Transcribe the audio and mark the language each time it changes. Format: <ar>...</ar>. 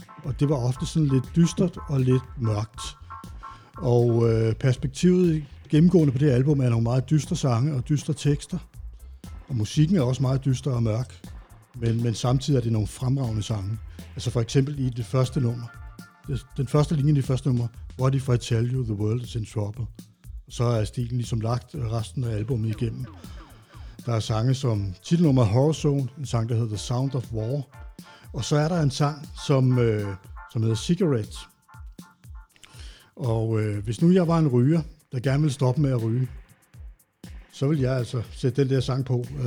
<da>Og det var ofte sådan lidt dystert og lidt mørkt. Og perspektivet gennemgående på det album er nogle meget dystre sange og dystre tekster. Og musikken er også meget dyster og mørk. Men samtidig er det nogle fremragende sange. Altså for eksempel i det første nummer. Den første linje i det første nummer.</da> <en>What if I tell you the world is in trouble?</en> <da>Så er stilen ligesom lagt resten af albumet igennem. Der er sange som titelnummer Horror Zone, en sang, der hedder The Sound of War. Og så er der en sang, som hedder Cigarette. Og hvis nu jeg var en ryger, der gerne ville stoppe med at ryge, så ville jeg altså sætte den der sang på.</da>